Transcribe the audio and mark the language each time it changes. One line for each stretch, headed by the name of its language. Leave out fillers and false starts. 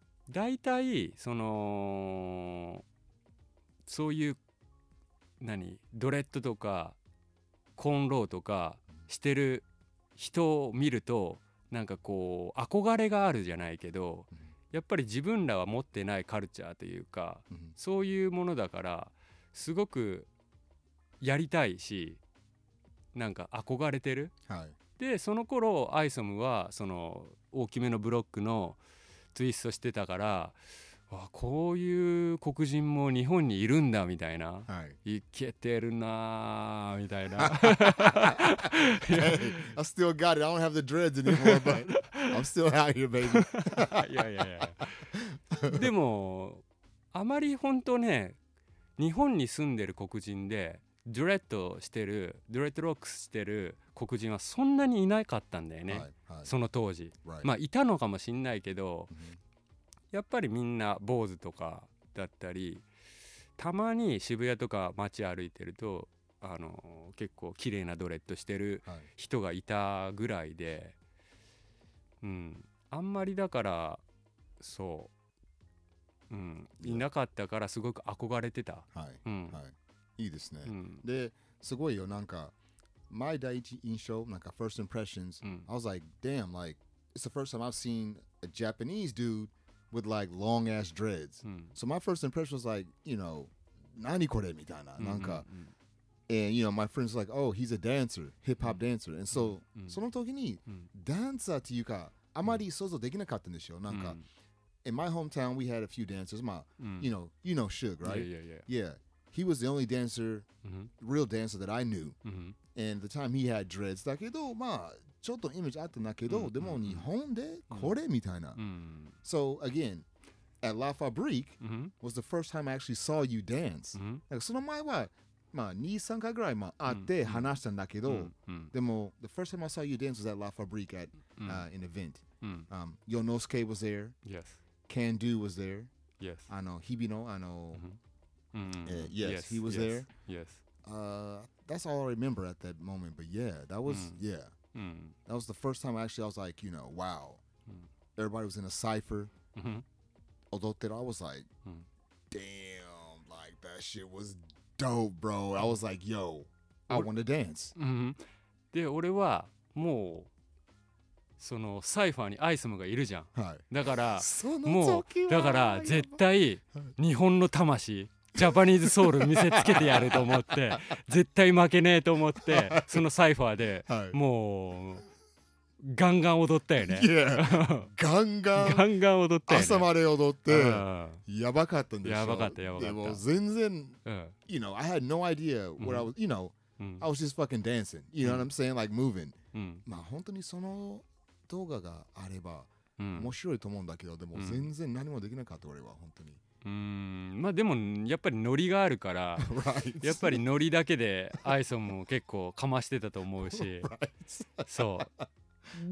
Japanese: だいたいそのそういう何、ドレッドとかコンローとかしてる人を見るとなんかこう憧れがあるじゃないけど、やっぱり自分らは持ってないカルチャーというかそういうものだからすごくやりたいし、なんか憧れてる、はい、でその頃アイソムはその大きめのブロックのツイストしてたから、わ、こういう黒人も日本にいるんだみたいな、はい、イケてるなみたいな。
English: Hey, I still got it. I don't have the dreads anymore, but I'm still out here, baby.
Japanese: いやいやいや。でもあまり本当ね、日本に住んでる黒人でドレッドしてる、ドレッドロックスしてる黒人はそんなにいなかったんだよね。はいはい、その当時、
English: right.
Japanese: まあいたのかもしれないけど。 Mm-hmm. やっぱりみんな坊主とかだったり、たまに渋谷とか街歩いてると結構綺麗なドレッドしてる人がいたぐらいで、はい、うん、あんまりだからそう、うん、いなかったからすごく憧れてた、はい、うん、はい、いいですね、うん、ですごいよ、なんか my 第一印象、なんか
English: first impressions、うん、 I was like damn, like it's the first time I've seen a Japanese dudeWith like long ass dreads.、うん、 so my first impression was like, you know,
Japanese: 何これみたいな、
English: なんか、うんうんうん、And you know, my friend's like, oh, he's a dancer, hip hop dancer.
Japanese: And so,、うん、その時に、うん、ダンサーというか、あまり想像できなかったんですよ。
English: なんか、うん、in my hometown, we had a few dancers. My,、うん、you know, Suge, right? Yeah, yeah, yeah. Yeah. He was the only dancer,、 mm-hmm. real dancer that I knew.、 Mm-hmm. And the time he had dreads,
Japanese: だけど、まあ、ちょっとイメージあったんだけど、うん、でも日本でこれみたいな。うん、
English: so again, at La Fabrique、うん、 was the first time I actually saw you dance.、うん、
Japanese: なんかその前は、まあ、2、3回ぐらい、まあ、会って話したんだけど、うん、
English: でも、the first time I saw you dance was at La Fabrique at、うん、an event.、うん、 Yonosuke was there. Yes. Can Do was there. Yes.
Japanese: あの、Hibino, あの、うん、
English: yes, yes, he was yes. there. Yes. That's all I remember at that moment, but yeah, that was,、うん、 yeah. That was the first time actually I was like, you know, wow. Everybody was in a cypher. Although I was like, damn, like that shit was dope, bro. I was like, yo, I want to dance.
Japanese: で、俺はもうそのサイファーにアイスムがいるじゃん。はい。だからもうだから絶対日本の魂、ジャパニーズソウル見せつけてやると思って、絶対負けねえと思って、そのサイファーでもう。ガンガン踊ったよね、 yeah. ガンガンガンガン踊ったよね、朝まで踊ってやばかったんでしょ、やばかったやばかった、でも全然、うん、
English: you know, I had no idea what、うん、I was, you know、うん、 I was just fucking dancing, you know、うん、what I'm saying, like moving、うん、
Japanese: まあ本当にその動画があれば、うん、面白いと思うんだけど、でも全然何もできなかった、うん、俺は本当に、うまあでもやっぱりノリがあるから
English: 、right.
Japanese: やっぱりノリだけでアイソンも結構かましてたと思うし、
English: right.
Japanese: そう。